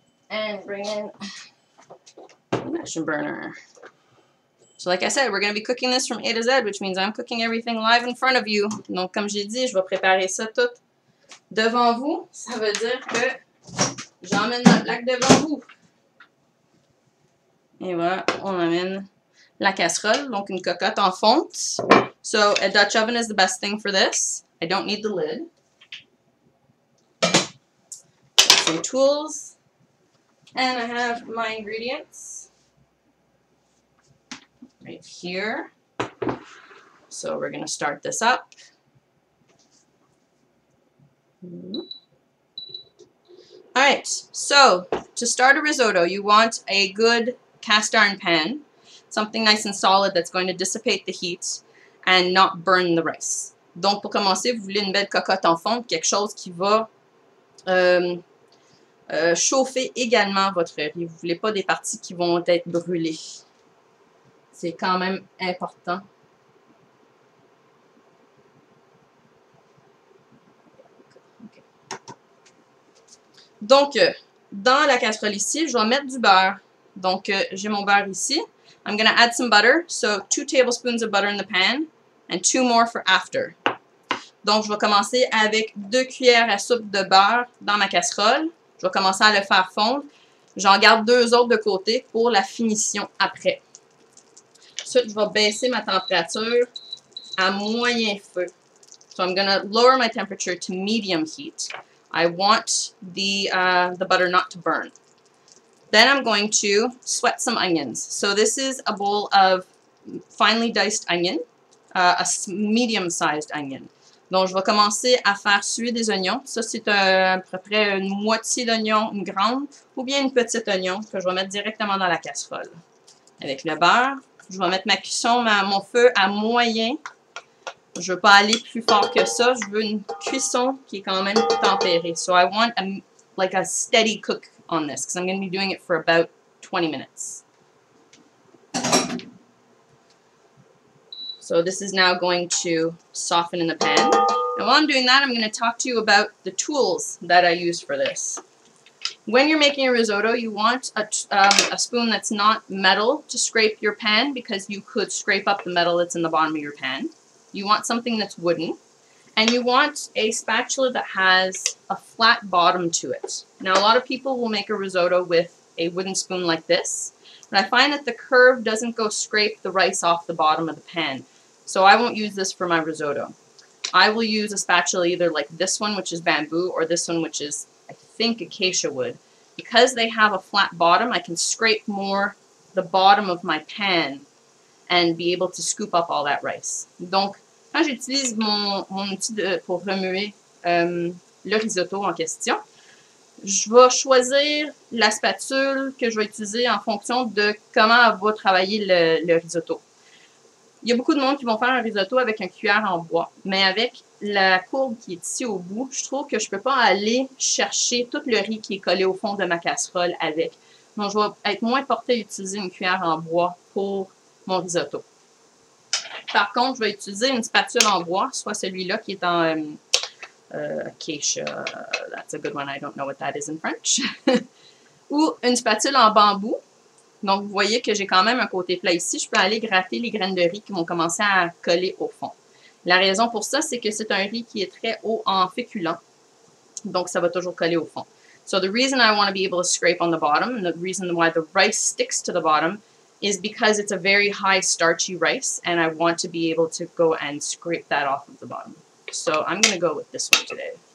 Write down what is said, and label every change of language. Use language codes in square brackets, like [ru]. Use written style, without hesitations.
[en] And bring in the induction burner. So like I said, we're going to be cooking this from A to Z, which means I'm cooking everything live in front of you. [fr] Donc comme j'ai dit, je vais préparer ça tout devant vous. Ça veut dire que j'emmène la plaque devant vous. Et voilà, on amène la casserole, donc une cocotte en fonte. [en] So a Dutch oven is the best thing for this. I don't need the lid. Some tools. And I have my ingredients. Right here. So we're going to start this up. All right, so to start a risotto, you want a good cast iron pan, something nice and solid that's going to dissipate the heat and not burn the rice. [fr] Donc pour commencer, vous voulez une belle cocotte en fonte, quelque chose qui va chauffer également votre riz. Vous voulez pas des parties qui vont être brûlées. C'est quand même important. Donc, dans la casserole ici, je vais mettre du beurre. Donc, j'ai mon beurre ici. [en] I'm going to add some butter. So, 2 tablespoons of butter in the pan and 2 more for after. [fr] Donc, je vais commencer avec 2 cuillères à soupe de beurre dans ma casserole. Je vais commencer à le faire fondre. J'en garde 2 autres de côté pour la finition après. Ensuite, je vais baisser ma température à moyen feu. [en] So, I'm going to lower my temperature to medium heat. I want the butter not to burn. Then I'm going to sweat some onions. So this is a bowl of finely diced onion, a medium-sized onion. [fr] Donc, je vais commencer à faire suer des oignons. Ça, c'est à peu près une moitié d'oignon, une grande, ou bien une petite oignon que je vais mettre directement dans la casserole. Avec le beurre, je vais mettre ma cuisson, mon feu à moyen. Je veux pas aller plus fort que ça. Je veux une cuisson qui est quand même tempérée. [en] So I want a steady cook on this, because I'm going to be doing it for about 20 minutes. So this is now going to soften in the pan. And while I'm doing that, I'm going to talk to you about the tools that I use for this. When you're making a risotto, you want a spoon that's not metal to scrape your pan, because you could scrape up the metal that's in the bottom of your pan. You want something that's wooden. And you want a spatula that has a flat bottom to it. Now, a lot of people will make a risotto with a wooden spoon like this. And I find that the curve doesn't go scrape the rice off the bottom of the pan. So I won't use this for my risotto. I will use a spatula either like this one, which is bamboo, or this one, which is, I think, acacia wood. Because they have a flat bottom, I can scrape more the bottom of my pan and be able to scoop up all that rice. [fr] Donc, quand j'utilise mon outil pour remuer le risotto en question, je vais choisir la spatule que je vais utiliser en fonction de comment elle va travailler le risotto. Il y a beaucoup de monde qui vont faire un risotto avec un cuillère en bois, mais avec la courbe qui est ici au bout, je trouve que je ne peux pas aller chercher tout le riz qui est collé au fond de ma casserole avec. Donc, je vais être moins portée à utiliser une cuillère en bois pour mon risotto. Par contre, je vais utiliser une spatule en bois, soit celui-là qui est en acacia. [en] That's a good one. I don't know what that is in French. [fr] Ou une spatule en bambou. Donc, vous voyez que j'ai quand même un côté plat ici. Je peux aller gratter les graines de riz qui vont commencer à coller au fond. La raison pour ça, c'est que c'est un riz qui est très haut en féculents. Donc, ça va toujours coller au fond. [en] So, the reason I want to be able to scrape on the bottom, the reason why the rice sticks to the bottom, is because it's a very high starchy rice, and I want to be able to go and scrape that off of the bottom. So, I'm going to go with this one today.